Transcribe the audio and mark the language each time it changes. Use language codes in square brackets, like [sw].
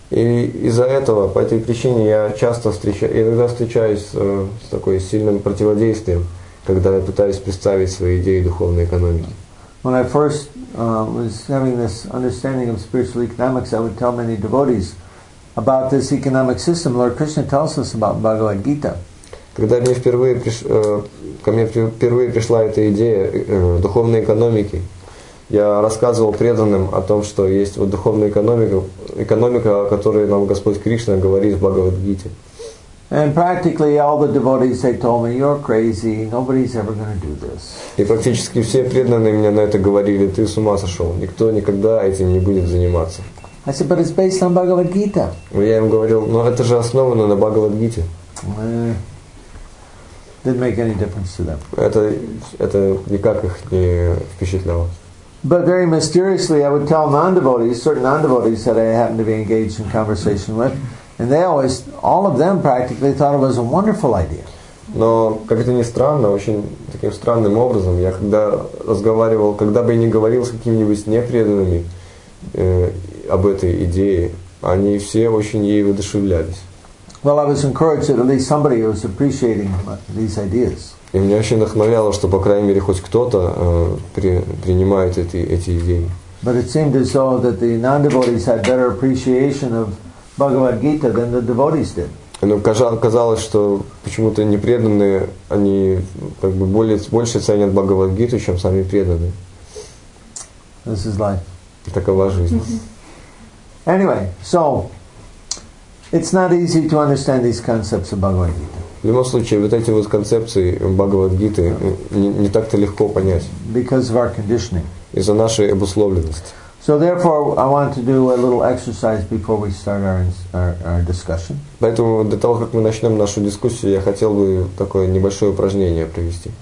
[ru] И из-за этого, по этой причине, я часто встречаюсь с такой сильным противодействием, когда я пытаюсь представить свои идеи духовной экономики. [en] When I first was having this understanding of spiritual economics, I would tell many devotees about this economic system. Lord Krishna tells us about Bhagavad Gita. [ru] Когда мне впервые пришла эта идея духовной экономики, я рассказывал преданным о том, что есть вот духовная экономика, о которой нам Господь Кришна говорит в Бхагавад Гите. [en] And practically all the devotees, they told me, you're crazy, nobody's ever going to do this. [ru] И практически все преданные мне на это говорили, ты с ума сошел, никто никогда этим не будет заниматься. [en] I said, but it's based on Bhagavad Gita. [ru] Я им говорил, но это же основано на Бхагавад Гите. [en] Didn't make any difference to them. [ru] Это никак их не впечатляло. [en] But very mysteriously, I would tell non-devotees, certain non-devotees that I happened to be engaged in conversation with, and they always, all of them practically thought it was a wonderful idea. [ru] Но как это ни странно, очень таким странным образом, я когда разговаривал, когда бы я ни говорил с какими-нибудь непреданными об этой идее, они все очень ей воодушевлялись. [en] Well, I was encouraged that at least somebody was appreciating these ideas. [ru] И меня очень вдохновляло, что, по крайней мере, хоть кто-то принимает эти идеи. [en] But it seemed as though that the non-devotees had better appreciation of Bhagavad Gita than the devotees did. [ru] Но казалось, что почему-то непреданные, они как бы больше ценят Бхагавад Гиту, чем сами преданные. [en] This is life. [ru] Такова жизнь. [en] Anyway, so it's not easy to understand these concepts of Bhagavad Gita. [ru] В любом случае, вот эти вот концепции Бхагавад Гиты не так-то легко понять. [en] Because of our conditioning. [ru] Из-за нашей обусловленности. [en] So therefore, I want to do a little exercise before we start our discussion. [ru] Поэтому до того, как мы начнем нашу дискуссию, я хотел бы такое небольшое упражнение провести.